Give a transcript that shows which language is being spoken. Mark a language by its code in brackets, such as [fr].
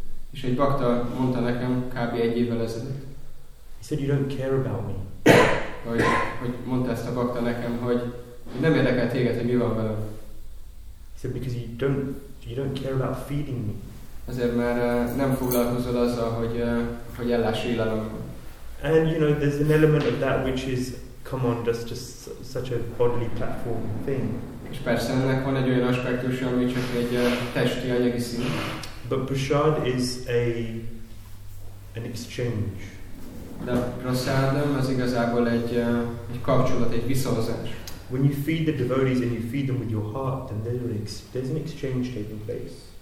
[hu] És egy bakta mondta nekem kb. Egy évvel ezelőtt. [en] He said, you don't care about me. [hu] Hogy mondta ezt a bakta nekem, hogy nem érdekel téged, hogy mi van velem. [en] He said, because you don't care about feeding me. [hu] Azért, mert nem foglalkozol azzal, hogy ellássa illanomban. [en] And you know, there's an element of that which is, come on, that's just such a bodily platform thing. [hu] És persze ennek van egy olyan aspektus, ami csak egy testi anyagi szín. [en] But prasad is an exchange. [hu] De prasadam az igazából egy kapcsolat, egy visszahozás. [en] When you feed the devotees and you feed them with your heart, then there's an exchange taking place.